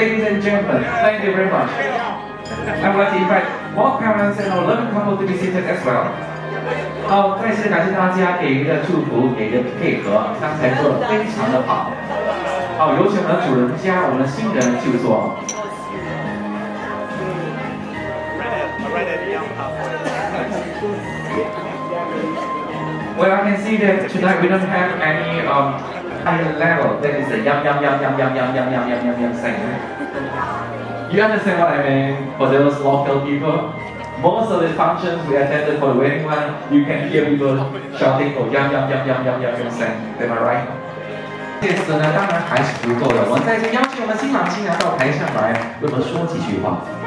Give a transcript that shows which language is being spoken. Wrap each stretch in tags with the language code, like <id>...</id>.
<en>I would like to invite both parents and our loving couple to be seated as well.</en> <zh>好，再次感谢大家给予的祝福，给予的配合，刚才做得非常的好。好，有请我们的主人家，我们的新人就坐。</zh> <en>Well, I can see that tonight we don't have any high level. That is the yum yum yum yum yum yum yum yum yum yum yum sing. You understand what I mean? For those local people, most of the functions we attended for the wedding one, you can hear people shouting for yum yum yum yum yum yum yum sing. Am I right?</en> <zh>这次呢，当然还是足够的。我们再次邀请我们新郎新娘到台上来，为我们说几句话。</zh>